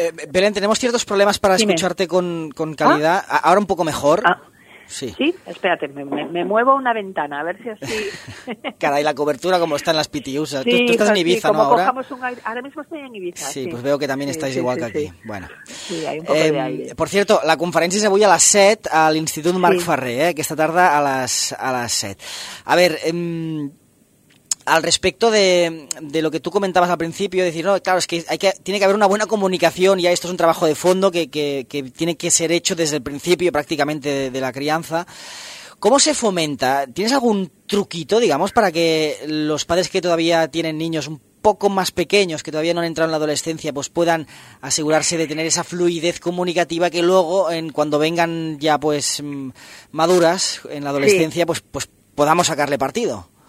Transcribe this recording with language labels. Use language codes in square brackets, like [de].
[es] Belén, tenemos ciertos problemas para escucharte con calidad. ¿Ah? Ahora un poco mejor. ¿Ah? Sí. Sí, espérate, me muevo una ventana, a ver si así... Caray, la cobertura como está en las pitiusas. Sí, tú estás en Ibiza, como ¿no? Ahora cojamos un aire. Ahora mismo estoy en Ibiza. Sí, sí. Pues veo que también estáis igual que aquí. Sí. Bueno. Sí, hay un poco de aire. [ca] Por cierto, la conferència és avui a les 7 a l'Institut Marc Ferrer, aquesta tarda a les 7. [es] A ver, al respecto de lo que tú comentabas al principio, decir, no, claro, es que tiene que haber una buena comunicación, y esto es un trabajo de fondo que tiene que ser hecho desde el principio prácticamente de la crianza. ¿Cómo se fomenta? ¿Tienes algún truquito, digamos, para que los padres que todavía tienen niños un poco más pequeños, que todavía no han entrado en la adolescencia, pues puedan asegurarse de tener esa fluidez comunicativa que luego, cuando vengan ya pues maduras en la adolescencia, pues podamos sacarle partido?